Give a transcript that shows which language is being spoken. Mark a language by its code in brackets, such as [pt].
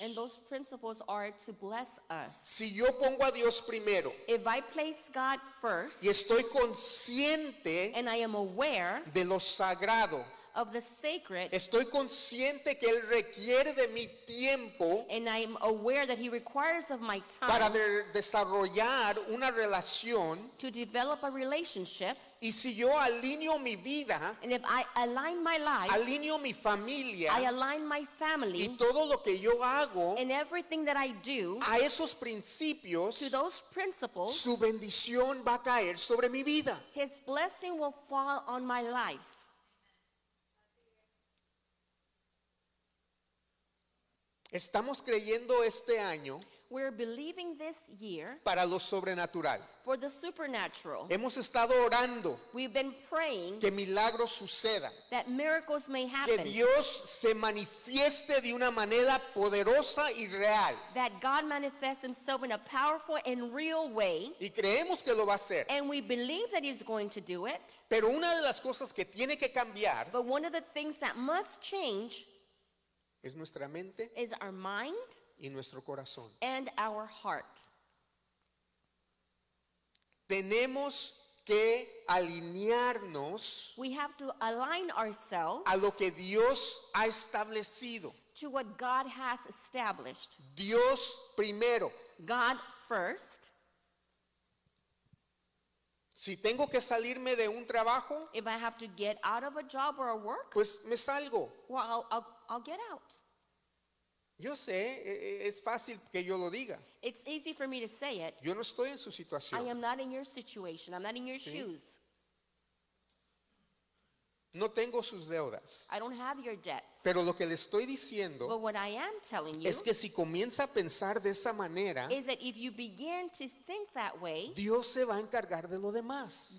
[en] And those principles are to bless us. [es] Si yo pongo a Dios primero, [en] if I place God first, [es] y estoy consciente, [en] and I am aware, [es] de lo sagrado, [en] of the sacred, [es] estoy consciente que él requiere de mi tiempo, [en] and I'm aware that he requires of my time, [es] para desarrollar una relación, [en] to develop a relationship, [es] y si yo alineo mi vida, [en] and if I align my life, [es] alineo mi familia, [en] I align my family, [es] y todo lo que yo hago, [en] and everything that I do, [es] a esos principios, [en] to those principles, [es] su bendición va a caer sobre mi vida, [en] his blessing will fall on my life. [es] Estamos creyendo este año, [en] We're believing this year [es] para lo sobrenatural. [en] For the supernatural. [es] Hemos estado orando. [en] We've been praying [es] que milagros sucedan. [en] That miracles may happen. [es] Que Dios se manifieste de una manera poderosa y real. [en] That God manifests himself in a powerful and real way. [es] Y creemos que lo va a hacer. [en] And we believe that he's going to do it. [es] Pero una de las cosas que tiene que cambiar, [en] but one of the things that must change, [es] es nuestra mente, [en] is our mind, [es] y nuestro corazón, [en] and our heart. [es] Tenemos que alinearnos, [en] we have to align ourselves, [es] a lo que Dios ha establecido, [en] to what God has established. [es] Dios primero, [en] God first. [es] Si tengo que salirme de un trabajo, [en] if I have to get out of a job or a work, [es] pues me salgo. [en] Well, I'll get out. [es] Yo sé, es fácil que yo lo diga. [en] It's easy for me to say it. [es] Yo no estoy en su situación. [en] I am not in your situation. I'm not in your shoes. [es] No tengo sus deudas. [en] I don't have your debts. [es] Pero lo que le estoy diciendo, [en] but what I am telling you, [es] es que si comienza a pensar de esa manera, [en] is that if you begin to think that way, [es] Dios se va a encargar de lo demás.